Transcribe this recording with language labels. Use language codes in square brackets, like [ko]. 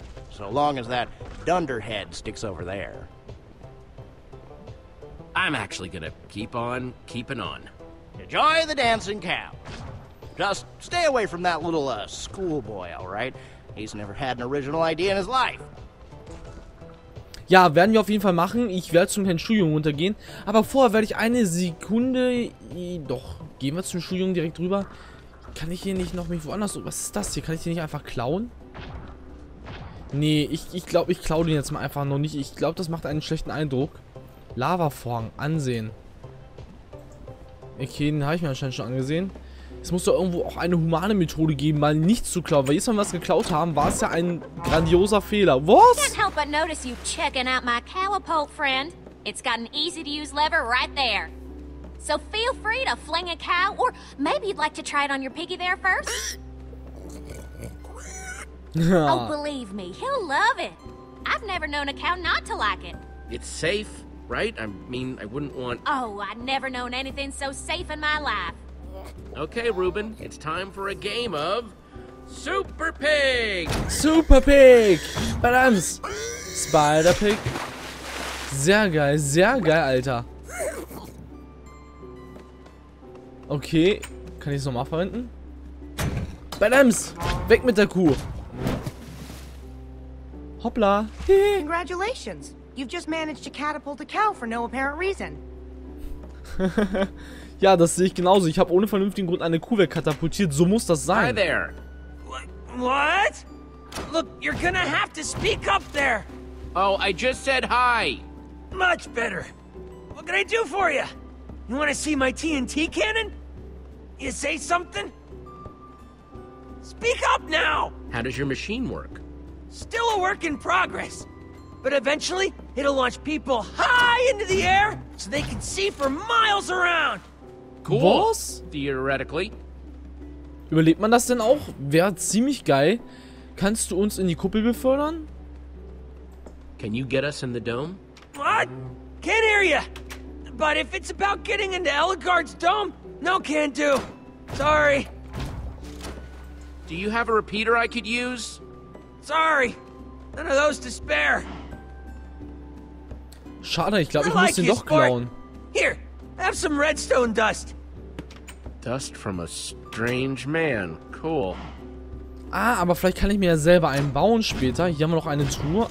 [en] So long as that dunderhead sticks over there. I'm actually gonna keep on keeping on. Enjoy the dancing cow. Just stay away from that little schoolboy, all right? He's never had an original idea in his life. [de] Ja, werden wir auf jeden Fall machen. Ich werde zum Herrn Schuljungen runtergehen. Aber vorher werde ich eine Sekunde... Doch, gehen wir zum Schuljungen direkt rüber. Kann ich hier nicht noch mich woanders... Was ist das hier? Kann ich hier nicht einfach klauen? Nee, ich glaube, ich klaue den jetzt mal einfach noch nicht. Ich glaube, das macht einen schlechten Eindruck. Lavaform, ansehen. Okay, den habe ich mir anscheinend schon angesehen. Es muss doch irgendwo auch eine humane Methode geben, mal nichts zu klauen. Weil jetzt, wenn wir was geklaut haben, war es ja ein grandioser Fehler. Was? [en] Can't help but notice you checking out my catapult, friend. It's got an easy-to-use lever right there. So feel free to fling a cow, or maybe you'd like to try it on your piggy there first. Oh, believe me, he'll love it. I've never known a cow not to like it. It's safe, right? I mean, I wouldn't want... Oh, I've never known anything so safe in my life. Okay, Ruben, it's time for a game of Super Pig! Super Pig! Badams! Spider Pig! [de] Sehr geil, Alter! Okay, kann ich es nochmal verwenden? Badams! Weg mit der Kuh! Hoppla! [en] Congratulations! You've just managed to catapult a cow for no apparent reason! [de] Ja, das sehe ich genauso. Ich habe ohne vernünftigen Grund eine Kuh wegkatapultiert. So muss das sein. [en] Hi there. What? Look, you're gonna have to speak up there. Oh, I just said hi. Much better. What can I do for you? You wanna see my TNT cannon? You say something? Speak up now! How does your machine work? Still a work in progress. But eventually, it'll launch people high into the air so they can see for miles around. Cool. [de] Was? [en] Theoretically. [de] Überlebt man das denn auch? Wäre ziemlich geil. Kannst du uns in die Kuppel befördern? [en] Can you get us in the dome? What? Can't hear you. But if it's about getting into Elagard's dome, no can do. Sorry. Do you have a repeater I could use? Sorry. None of those to spare. [de] Schade, ich glaube, ich muss den doch klauen. [en] Here. Have some redstone dust. Dust from a strange man. Cool. [de] Ah, aber vielleicht kann ich mir ja selber einen bauen später. Hier haben wir noch eine Truhe.